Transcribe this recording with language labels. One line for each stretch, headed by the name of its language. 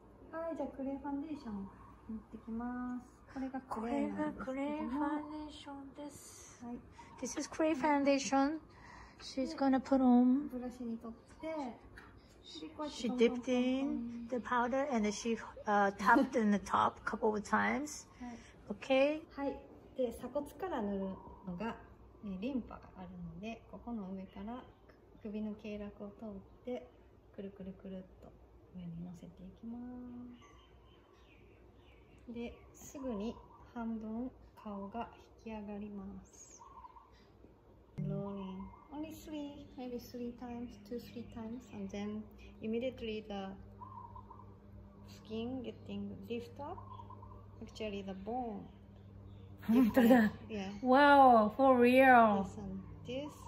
Japanese: はい、じゃあクレイファンデーション塗ってきます。これがクレイなんですけども。これがクレイファンデーションです。はい。
English: This is
Japanese: クレイファンデーション。
English: She's gonna put on.
Japanese: ブラシに取って、
English: She dipped in the powder and she tapped in the top couple of times. Okay.
Japanese: はい。で、鎖骨から塗るのが、リンパがあるので、ここの上から首の経絡を通って、くるくるくるっと上に乗せていきます。で、すぐに半分顔が引き上がります。
English: Rolling. Only three, maybe three times, two, three times, and then immediately the skin getting lift up. Actually, the bone. Yeah. Wow, for real. Listen, this?